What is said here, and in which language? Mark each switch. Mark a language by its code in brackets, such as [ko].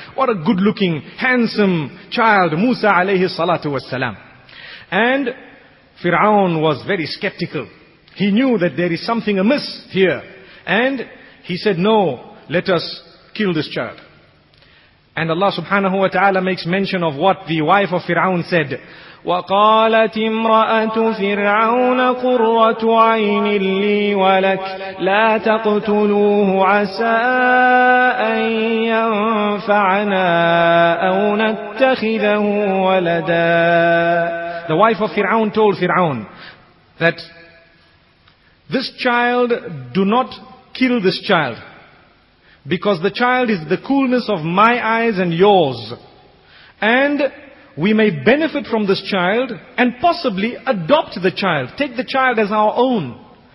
[en] What a good looking, handsome child, Musa alayhi salatu wasalam. And Fir'aun was very skeptical. He knew that there is something amiss here. And he said, no, let us kill this child. And Allah subhanahu wa ta'ala makes mention of what the wife of Fir'aun said. [ar] وقالت امرأة فرعون قرة عين لي ولك لا تقتلوه عسى أن ينفعنا أو نتخذه ولدا. [en] The wife of Fir'aun told Fir'aun that this child, do not kill this child, because the child is the coolness of my eyes and yours, and we may benefit from this child and possibly adopt the child, take the child as our own.